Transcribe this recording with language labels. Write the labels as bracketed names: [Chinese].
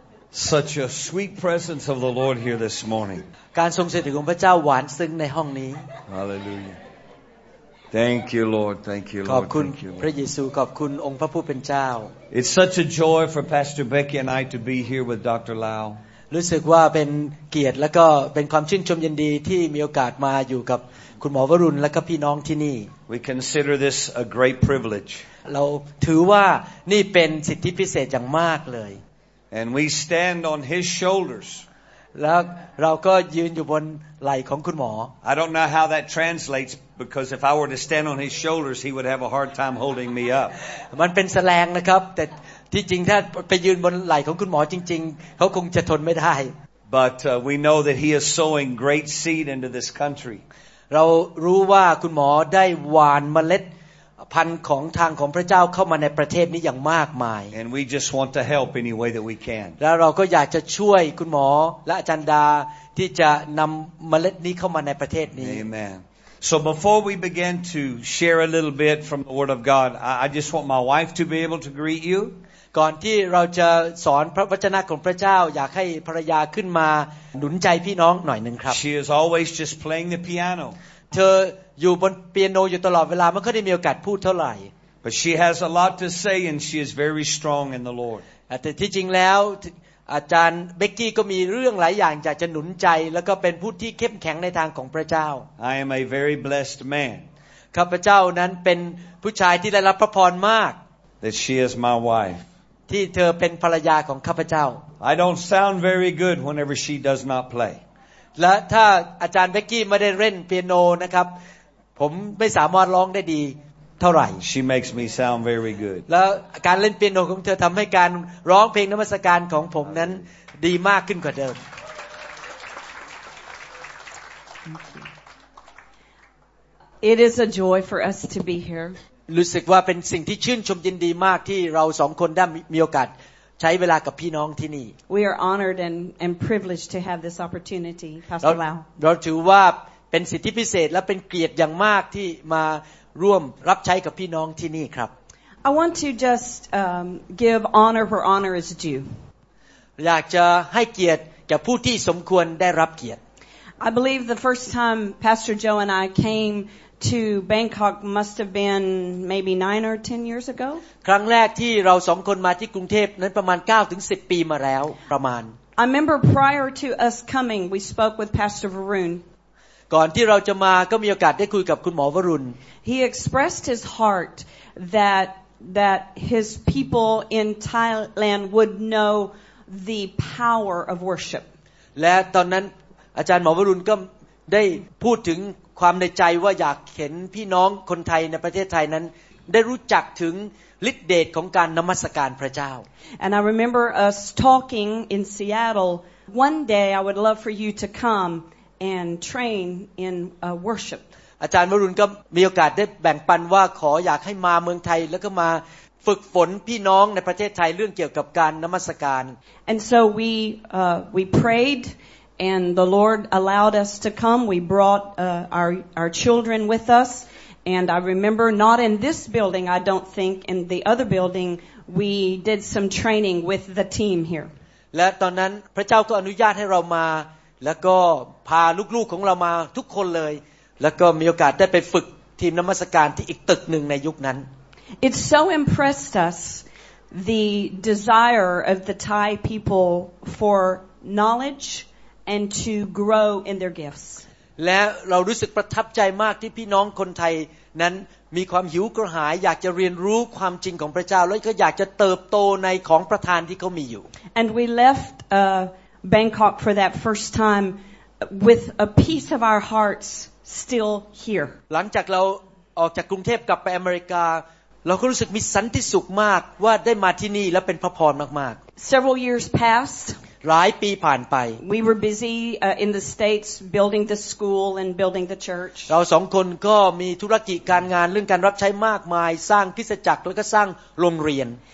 [English] Such a sweet presence of the Lord here this morning. [Thai] การทรงสถิตของพระเจ้าหวานซึ้งในห้องนี้ [English] Hallelujah. Thank you, Lord. Thank you, Lord. [Thai] ขอบคุณพระเยซูขอบคุณองค์พระผู้เป็นเจ้า [English] It's such a joy for Pastor Becky and I to be here with Dr. Lau. [Thai] รู้สึกว่าเป็นเกียรติและก็เป็นความชื่นชมยินดีที่มีโอกาสมาอยู่กับคุณหมอวรุณและก็พี่น้องที่นี่ [English] We consider this a great privilege. [Thai] เราถือว่านี่เป็นสิทธิพิเศษอย่างมากเลย [English] And we stand on his shoulders [Thai] แล้วเราก็ยืนอยู่บนไหล่ของคุณหมอ [English] I don't know how that translates because if I were to stand on his shoulders he would have a hard time holding me up [Thai] มันเป็นแสลงนะครับแต่ที่จริงถ้าไปยืนบนไหล่ของคุณหมอจริงๆเขาคงจะทนไม่ได้ [English] But we know that he is sowing great seed into this country [Thai] เรารู้ว่าคุณหมอได้หว่านเมล็ดพันของทางของพระเจ้าเข้ามาในประเทศนี้อย่างมากมาย [English] And we just want to help any way that we can. [Thai] แล้วเราก็อยากจะช่วยคุณหมอและอาจารย์ดาที่จะนำเมล็ดนี้เข้ามาในประเทศนี้ [English] Amen. So before we begin to share a little bit from the Word of God, I just want my wife to be able to greet you. [Thai] ก่อนที่เราจะสอนพระวจนะของพระเจ้าอยากให้ภรรยาขึ้นมาหนุนใจพี่น้องหน่อยนึงครับ [English] She is always just playing the piano [Thai] เธออยู่บนเปียโนอยู่ตลอดเวลาไม่ค่อยได้มีโอกาสพูดเท่าไหร่ [English] But she has a lot to say and she is very strong in the Lord [Thai] แต่ที่จริงแล้วอาจารย์เบกกี้ก็มีเรื่องหลายอย่างอยากจะหนุนใจแล้วก็เป็นผู้ที่เข้มแข็งในทางของพระเจ้า [English] I am a very blessed man [Thai] ข้าพเจ้านั้นเป็นผู้ชายที่ได้รับพระพรมาก [English] That she is my wife [Thai] ที่เธอเป็นภรรยาของข้าพเจ้า [English] I don't sound very good whenever she does not play [Thai] และถ้าอาจารย์เบกกี้ไม่ได้เล่นเปียโนนะครับผมไม่สามารถร้องได้ดีเท่าไหร่ [English] She makes me sound very good [Thai] แล้วการเล่นเปียโนของเธอทำให้การร้องเพลงนมัสการของผมนั้นดีมากขึ้นกว่าเดิม [English] It is a joy for us to be here [Thai] รู้สึกว่าเป็นสิ่งที่ชื่นชมยินดีมากที่เราสองคนได้มีโอกาสใช้เวลากับพี่น้องที่นี่ [English] We are honored and privileged to have this opportunity Pastor Lau [Thai] เราถือว่าเป็นสิทธิพิเศษและเป็นเกียรติอย่างมากที่มาร่วมรับใช้กับพี่น้องที่นี่ครับ [English] I want to just give honor where honor is due [Thai] อยากจะให้เกียรติแก่ผู้ที่สมควรได้รับเกียรติ [English] I believe the first time Pastor Joe and I came to Bangkok must have been maybe 9 or 10 years ago [Thai] ครั้งแรกที่เรา2คนมาที่กรุงเทพนั้นประมาณ 9-10 ปีมาแล้วประมาณ [English] I remember prior to us coming we spoke with Pastor Varun [Thai] ก่อนที่เราจะมาก็มีโอกาสได้คุยกับคุณหมอวรุณ [English] He expressed his heart that his people in Thailand would know the power of worship [Thai] และตอนนั้นอาจารย์หมอวรุณก็ได้พูดถึงความในใจว่าอยากเห็นพี่น้องคนไทยในประเทศไทยนั้นได้รู้จักถึงฤทธิ์เดชของการนมัสการพระเจ้า [English] And I remember us talking in Seattle one day I would love for you to comeAnd train in worship. [Thai] อาจารย์วรุณก็มีโอกาสได้แบ่งปันว่าขออยากให้มาเมืองไทยแล้วก็มาฝึกฝนพี่น้องในประเทศไทยเรื่องเกี่ยวกับการนมัสการ [English] And so we prayed, and the Lord allowed us to come. We brought our children with us, and I remember not in this building. I don't think in the other building we did some training with the team here. [Thai] และตอนนั้นพระเจ้าก็อนุญาตให้เรามาแล้วก็พาลูกๆของเรามาทุกคนเลยแล้วก็มีโอกาสได้ไปฝึกทีมนมัสการที่อีกตึกนึงในยุคนั้น [English] It so impressed us the desire of the Thai people for knowledge and to grow in their gifts [Thai] และเรารู้สึกประทับใจมากที่พี่น้องคนไทยนั้นมีความหิวกระหายอยากจะเรียนรู้ความจริงของพระเจ้าแล้วก็อยากจะเติบโตในของประทานที่เขามีอยู่ [English] And we leftBangkok for that first time with a piece of our hearts still here [Thai] หลังจากเราออกจากกรุงเทพกลับไปอเมริกาเราก็รู้สึกมีสันติสุขมากว่าได้มาที่นี่และเป็นพระพรมาก [English] ๆ Several years passed [Thai] หลายปีผ่านไป [English] We were busy in the states building the school and building the church [Thai] เราสองคนก็มีธุรกิจการงานเรื่องการรับใช้มากมายสร้างคริสตจักรแล้วก็สร้างโรงเรียน